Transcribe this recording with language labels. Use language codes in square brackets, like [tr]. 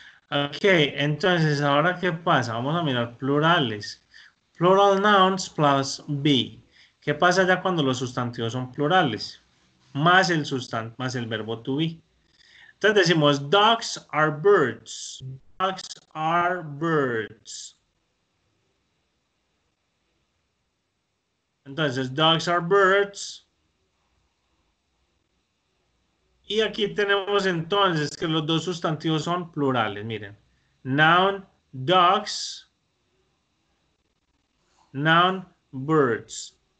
[es] Okay, entonces, ¿ahora qué pasa? Vamos a mirar plurales. [en] Plural nouns plus be. [es] ¿Qué pasa ya cuando los sustantivos son plurales? Más el sustantivo, más el verbo to be. Entonces decimos, [en] dogs are birds. Dogs are birds. Entonces, dogs are birds. [es] Y aquí tenemos entonces que los dos sustantivos son plurales. Miren, [en] noun, dogs. Noun, birds.